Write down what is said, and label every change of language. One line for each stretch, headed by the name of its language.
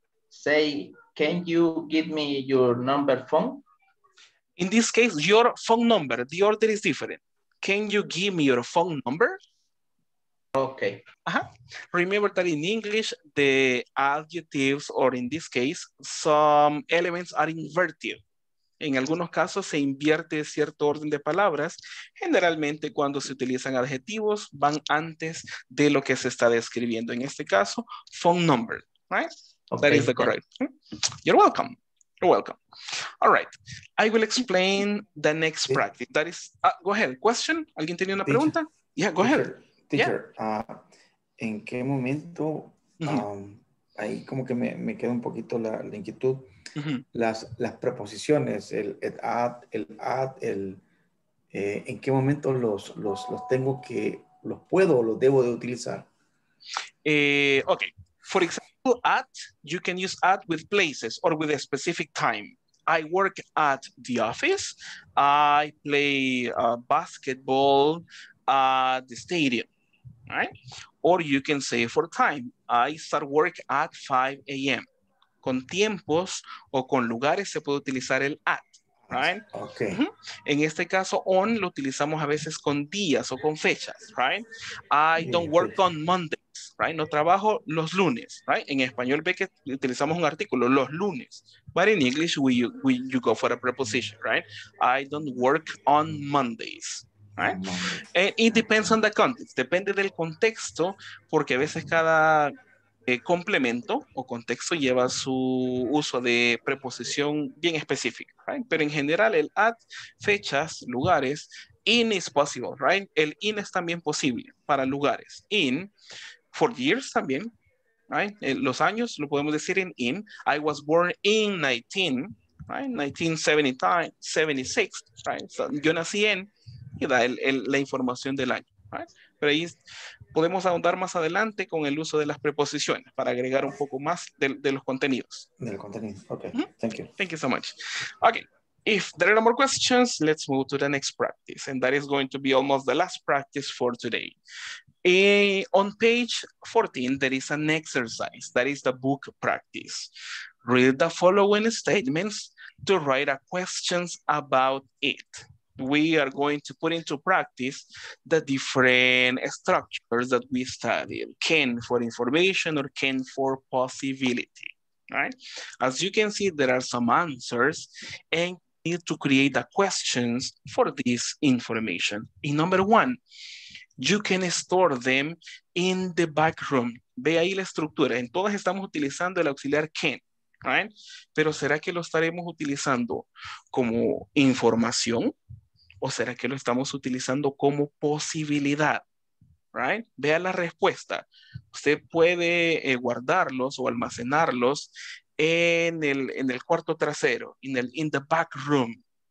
English: Say, can you give me your number phone? In this case, your phone number. The order is different. Can you give me your phone number? Okay. Uh-huh. Remember that in English, the adjectives, or in this case, some elements are inverted.
Spanish: En algunos casos se invierte cierto orden de palabras. Generalmente cuando se utilizan adjetivos van antes de lo que se está describiendo. En este caso, phone number, right?
English: Okay. That is the correct. You're welcome. You're welcome. All right. I will explain the next practice. That is, go ahead. Question?
Spanish: ¿Alguien tenía una pregunta?
English: Yeah, go ahead.
Spanish: Teacher, ¿en qué momento? Ahí como que me queda un poquito la inquietud. Las preposiciones, el at, ¿en qué momento los tengo que, los puedo o los debo de utilizar?
English: Okay, for example, at, you can use at with places or with a specific time. I work at the office, I play basketball at the stadium, right? Or you can say for time, I start work at 5 a.m.
Spanish: Con tiempos o con lugares se puede utilizar el at, right?
English: Okay.
Spanish: En este caso, on lo utilizamos a veces con días o con fechas, right?
English: I don't work on Mondays, right?
Spanish: No trabajo los lunes,
English: right?
Spanish: En español ve que utilizamos un artículo, los lunes.
English: But in English, you go for a preposition, right? I don't work on Mondays. Right? It depends on the context.
Spanish: Depende del contexto, porque a veces cada complemento o contexto lleva su uso de preposición bien específica, right? Pero en general, el at, fechas, lugares,
English: in is possible,
Spanish: right? El in es también posible para lugares. In, for years también, right? Los años lo podemos decir en in.
English: I was born in 1976,
Spanish: right? So, yo nací en, y da la información del año, right? Pero ahí podemos ahondar más adelante con el uso de las preposiciones para agregar un poco más de los contenidos. Del contenido,
English: okay, thank you. Thank you so much. Okay, if there are no more questions, let's move to the next practice. And that is going to be almost the last practice for today. On page 14, there is an exercise. That is the book practice. Read the following statements to write a questions about it. We are going to put into practice the different structures that we studied. Can for information or can for possibility, right? As you can see, there are some answers and you need to create the questions for this information. In number one, you can store them in the back room.
Spanish: Ve ahí la estructura. En todas estamos utilizando el auxiliar can, right? Pero ¿será que lo estaremos utilizando como información? ¿O será que lo estamos utilizando como posibilidad? Right? Vea la respuesta. Usted puede guardarlos o almacenarlos en el cuarto trasero,
English: in the back room.